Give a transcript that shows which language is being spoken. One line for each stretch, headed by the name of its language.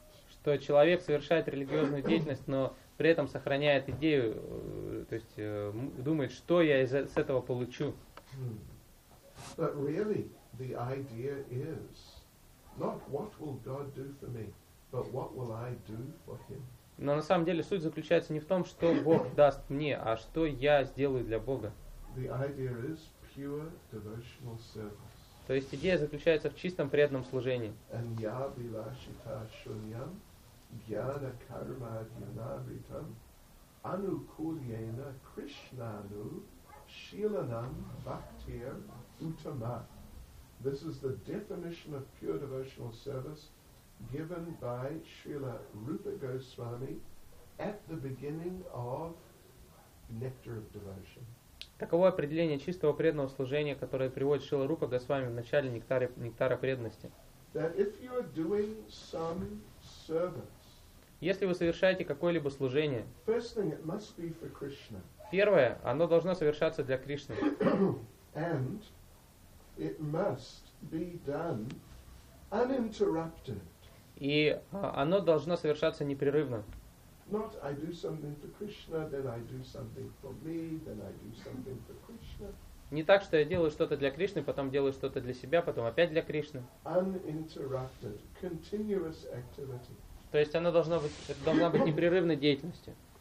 Russian: Что человек совершает религиозную деятельность, но при этом сохраняет идею, то есть думает, что я с этого получу.
English: But really, the idea is not what will God do for me, but what will I do for Him.
Russian: Но на самом деле суть заключается не в том, что Бог даст мне, а что я сделаю для Бога.
English: The idea is pure devotional service.
Russian: То есть идея заключается в чистом преданном служении.
Sanskrit: And я била шита шуньям, гьяна карма дьянавритам, анукульена кришнану, шиланам бхактир. Uttama.
English: This is the definition of pure devotional service given by Srila Rupa Goswami at the beginning of Nectar of Devotion.
Russian: Таково определение чистого преданного служения, которое приводит Шрила Рупа Госвами в начале нектара преданности.
English: That if you are doing some service,
Russian: если вы совершаете какое-либо служение,
English: first thing, it must be for Krishna.
Russian: Первое, оно должно совершаться для Кришны.
English: And it must be done uninterrupted.
Russian: И оно должно совершаться непрерывно.
English: Not I do something for Krishna, then I do something for me, then I do something for Krishna.
Russian: Не так, что я делаю что-то для Кришны, потом делаю что-то для себя, потом опять для Кришны.
English: Uninterrupted, continuous activity.
Russian: То есть оно должно быть непрерывной деятельностью.